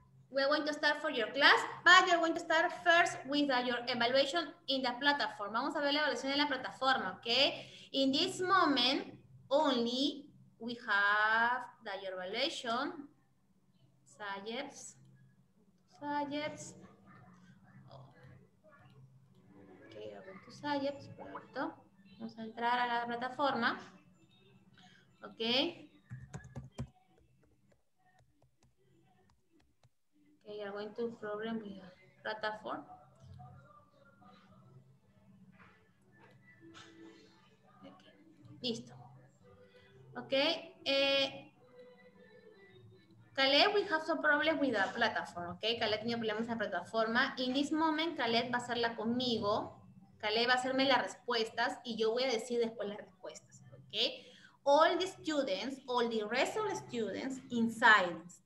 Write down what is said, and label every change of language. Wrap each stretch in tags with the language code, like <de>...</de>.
<en>We're going to start for your class, but you're going to start first with your evaluation in the platform.</en> <es>Vamos a ver la evaluación en la plataforma, okay?</es> <en>In this moment, only we have the your evaluation. Sayers. Okay, going to Sayers,</en> <es>perfecto. Vamos a entrar a la plataforma, okay?</es> <en>Okay, I'm going to problem with the platform. Okay. Listo. Okay. Khaled, we have some problems with the platform.</en> <es>Okay, Khaled tiene problemas en la plataforma.</es> <en>In this moment,</en> <es>Khaled va a hacerla conmigo. Khaled va a hacerme las respuestas y yo voy a decir después las respuestas.</es> <en>Okay. All the students, all the rest of the students in silence.</en>